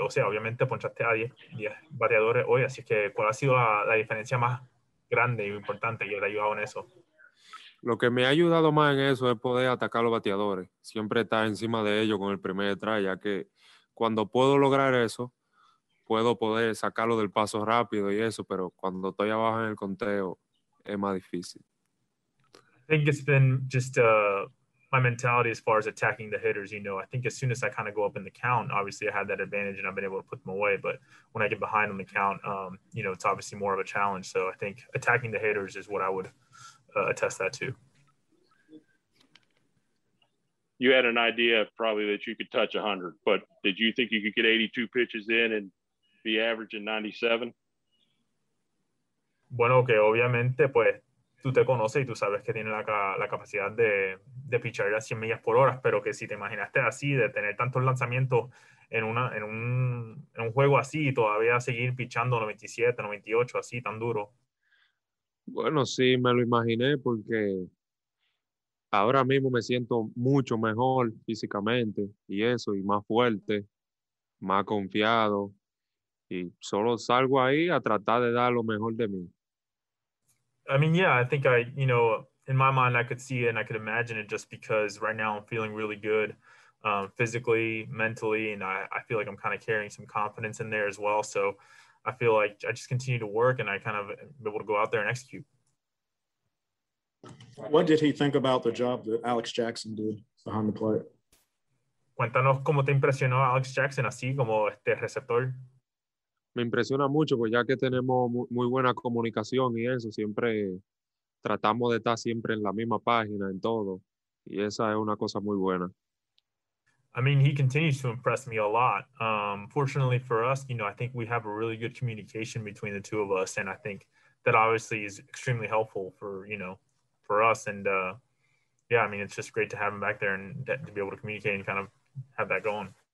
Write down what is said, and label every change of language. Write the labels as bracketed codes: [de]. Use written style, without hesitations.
[es] O sea, obviamente ponchaste a 10 bateadores hoy. Así que, ¿cuál ha sido la diferencia más grande y importante que te ha ayudado en eso? Lo que me ha ayudado más en eso es poder atacar a los bateadores. Siempre estar encima de ellos con el primer detrás, ya que cuando puedo lograr eso, puedo poder sacarlo del paso rápido y eso, pero cuando estoy abajo en el conteo, es más difícil. [en] I think it's been just my mentality as far as attacking the hitters, you know, I think as soon as I kind of go up in the count, obviously I had that advantage and I've been able to put them away. But when I get behind on the count, you know, it's obviously more of a challenge. So I think attacking the hitters is what I would attest that to. You had an idea probably that you could touch 100, but did you think you could get 82 pitches in and be averaging 97? [es] Bueno, okay, obviamente, pues, tú te conoces y tú sabes que tiene la capacidad de pichar a 100 millas por hora, pero que si te imaginaste así, de tener tantos lanzamientos en un juego así y todavía seguir pichando 97, 98, así tan duro. Bueno, sí, me lo imaginé porque ahora mismo me siento mucho mejor físicamente y eso, y más fuerte, más confiado, y solo salgo ahí a tratar de dar lo mejor de mí. [en] I mean, yeah, I think you know, in my mind, I could see it and I could imagine it just because right now I'm feeling really good physically, mentally, and I feel like I'm kind of carrying some confidence in there as well. So I feel like I just continue to work and I kind of be able to go out there and execute. What did he think about the job that Alex Jackson did behind the plate? [es] Cuéntanos cómo te impresionó Alex Jackson así como este receptor. Me impresiona mucho, pues ya que tenemos muy buena comunicación y eso, siempre tratamos de estar siempre en la misma página en todo, y esa es una cosa muy buena. [en] I mean, he continues to impress me a lot. Fortunately for us, you know, I think we have a really good communication between the two of us, and I think that obviously is extremely helpful for, you know, for us, and yeah, I mean, it's just great to have him back there and to be able to communicate and kind of have that going.